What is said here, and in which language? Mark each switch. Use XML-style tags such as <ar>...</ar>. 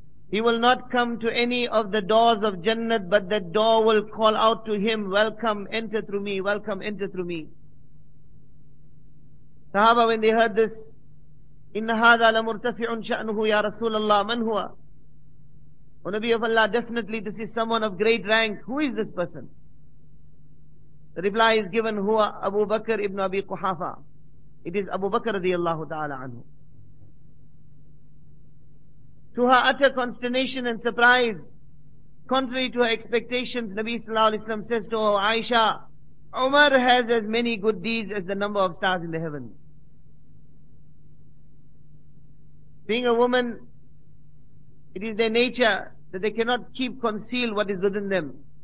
<en>He will not come to any of the doors of Jannah, but the door will call out to him, welcome, enter through me, welcome, enter through me. Sahaba, when they heard this,</en> <ar>إِنَّ هَذَا لَمُرْتَفِعٌ شَأْنُهُ يَا رَسُولَ اللَّهِ مَنْ هُوَ</ar> <en>O Nabi of Allah, definitely this is someone of great rank. Who is this person? The reply is given,</en> <ar>هُوَ أَبُو بَكْرِ ابْنُ أَبِي قُحَافَ</ar> <en>It is Abu Bakr رضي الله تعالى عنه. To her utter consternation and surprise, contrary to her expectations, Nabi sallallahu alayhi wa sallam says to her, Aisha, Umar has as many good deeds as the number of stars in the heavens. Being a woman, it is their nature that they cannot keep concealed what is within them.</en>